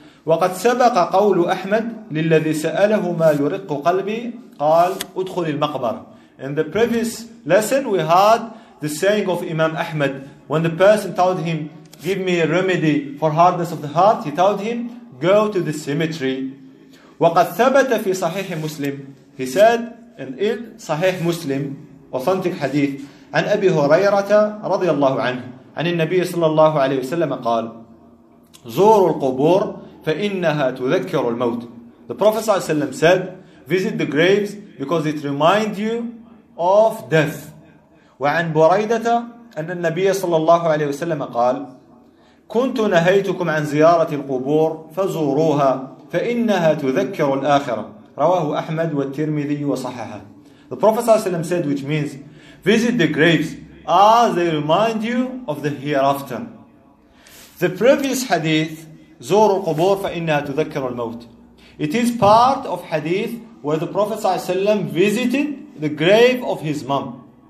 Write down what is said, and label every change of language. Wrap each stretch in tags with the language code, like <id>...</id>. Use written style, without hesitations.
<ar>وَقَدْ سَبَقَ قَوْلُ أَحْمَدٍ لِلَّذِي سَأَلَهُ مَا يُرِقُّ قَلْبِي قَالَ أُدْخُلِ الْمَقْبَرَ.</ar> <en>In the previous lesson, we had the saying of Imam Ahmed. When the person told him, give me a remedy for hardness of the heart, he told him, go to the cemetery.</en> <ar>وَقَدْ ثَبَتَ فِي صَحِيحِ مُسْلِمٍ.</ar> <en>He said, and in Sahih Muslim, authentic hadith,</en> <ar>عن أبي هريرة رضي الله عنه عن النبي صلى الله عليه وسلم قال زور القبور فإنها تذكر الموت.</ar> <en>The Prophet</en> <ar>صلى الله عليه وسلم</ar> <en>said, visit the graves because it remind you of death.</en> <ar>وعن بريدة أن النبي صلى الله عليه وسلم قال كنت نهيتكم عن زيارة القبور فزوروها فإنها تذكر الآخرة. رواه أحمد والترمذي وصححه.</ar> <en>The Prophet</en> <ar>صلى الله عليه وسلم</ar> <en>said, which means, visit the graves as they remind you of the hereafter. The previous hadith,</en> <ar>زور القبور فإنها تذكر الموت,</ar> <en>it is part of hadith where the Prophet ﷺ visited the grave of his mom.</en>